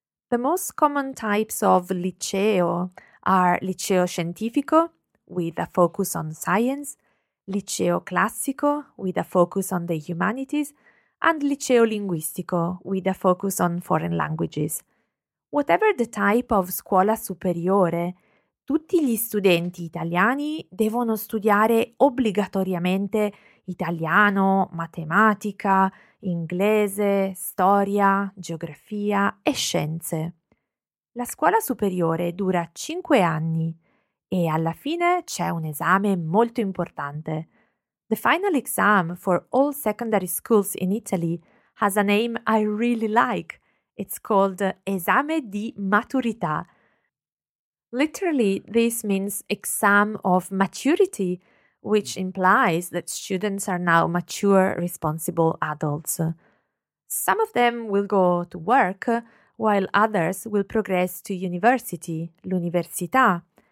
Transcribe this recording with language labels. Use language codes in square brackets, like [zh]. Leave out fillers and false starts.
[en] The most common types of liceo are liceo scientifico, with a focus on science, liceo classico, with a focus on the humanities, and liceo linguistico, with a focus on foreign languages. Whatever the type of [it] scuola superiore, tutti gli studenti italiani devono studiare obbligatoriamente italiano, matematica, inglese, storia, geografia e scienze. La scuola superiore dura 5 anni e alla fine c'è un esame molto importante. [en] The final exam for all secondary schools in Italy has a name I really like. It's called Esame di Maturità. Literally, this means exam of maturity, which implies that students are now mature, responsible adults. Some of them will go to work, while others will progress to university, l'università.